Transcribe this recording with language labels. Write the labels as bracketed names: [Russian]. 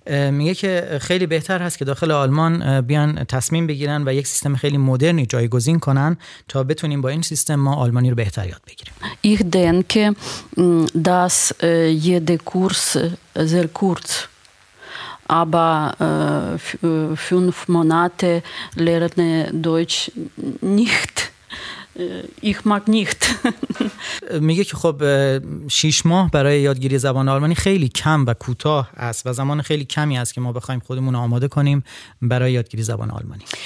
[Persian] میگه که خیلی بهتر هست که داخل آلمان بیان تصمیم بگیرن و یک سیستم خیلی مدرنی جایگزین کنن تا بتونیم با این سیستم ما آلمانی رو بهتر یاد بگیریم. [German] Ich denke, dass jeder Kurs sehr kurz, aber 5 Monate lerne Deutsch nicht. Ich mag nicht. [Persian] میگه که خب 6 ماه برای یادگیری زبان آلمانی خیلی کم و کوتاه است و زمان خیلی کمی است که ما بخوایم خودمون رو آماده کنیم برای یادگیری زبان آلمانی.